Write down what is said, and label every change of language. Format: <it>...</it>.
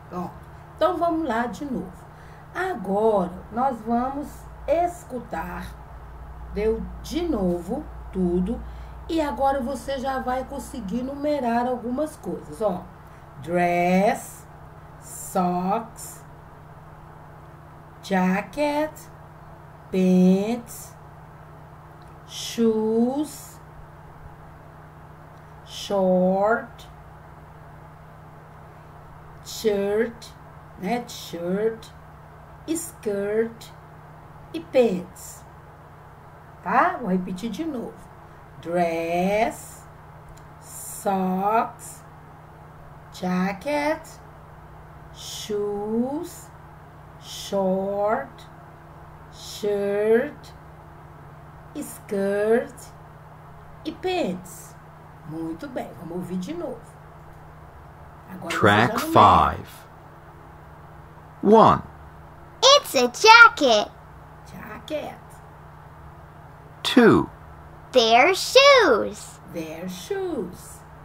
<pt>Bom, então vamos lá de novo. Agora nós vamos escutar, deu de novo tudo, e agora você já vai conseguir numerar algumas coisas, ó.</pt> <en>Dress, socks, jacket, pants, shoes, short, shirt, né?</en> <pt>Shirt, skirt e pants. Tá? Vou repetir de novo.</pt> <en>Dress, socks, jacket, shoes, short, shirt, skirt e pants.</en> <pt>Muito bem, vamos ouvir de novo. Agora você já</pt> <en>Track</en> <pt>numera.</pt> <en>5. 1. It's a jacket. Jacket. 2. They're shoes. They're shoes.</en>